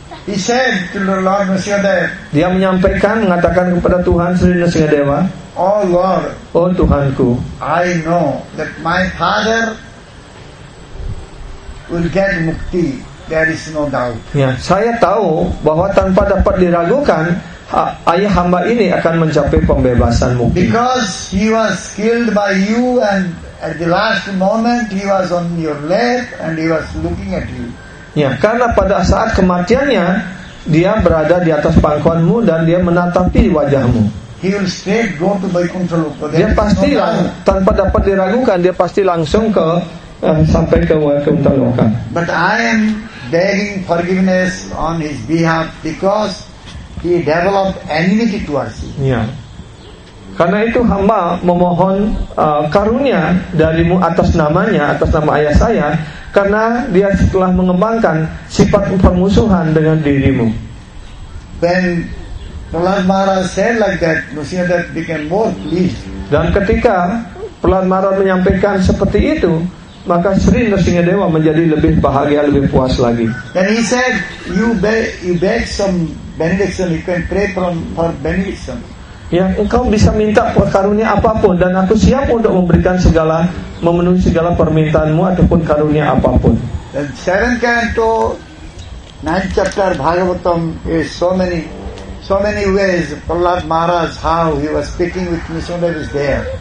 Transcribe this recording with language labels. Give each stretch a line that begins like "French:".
English: He said to Lord Nrisimha Dewa.
Indonesian: Dia menyampaikan, mengatakan kepada Tuhan Sri Nrisimha Dewa.
English: Oh Lord,
Indonesian: oh Tuhanku,
English: I know that my father will get mukti. There is no doubt.
Indonesian: Ya, saya tahu bahwa tanpa dapat diragukan, ayah hamba ini akan mencapai pembebasan mukti.
English: Because he was killed by you, and at the last moment he was on your lap and he was looking at you.
Indonesian: Ya, karena pada saat kematiannya dia berada di atas pangkuanmu dan dia menatapi wajahmu.
English: He will straight go to Vaikuntha Loka.
Indonesian: Dia pasti tanpa dapat diragukan, dia pasti langsung ke sampai ke Vaikuntha Loka.
English: But I am begging forgiveness on his behalf because he developed enmity towards him.
Indonesian: Ya. Karena itu hamba memohon karunia darimu atas namanya, atas nama ayah saya, karena dia telah mengembangkan sifat permusuhan dengan dirimu.
English: When Prahlad Maharaja said like that, Nrisimha Dewa became more pleased.
Indonesian: Dan ketika Prahlad Maharaja menyampaikan seperti itu, maka Sri Nrsimhadeva menjadi lebih bahagia, lebih puas lagi.
English: Then he said, you beg some benediction, you can pray for benediction.
Indonesian: Ya, engkau bisa minta karunia apapun dan aku siap untuk memberikan segala, memenuhi segala permintaanmu ataupun karunia apapun.
English: Then 7th canto, 9th chapter Bhagavatam is so many ways Prahlad Maharaj, how he was speaking with Nrsimhadeva is there.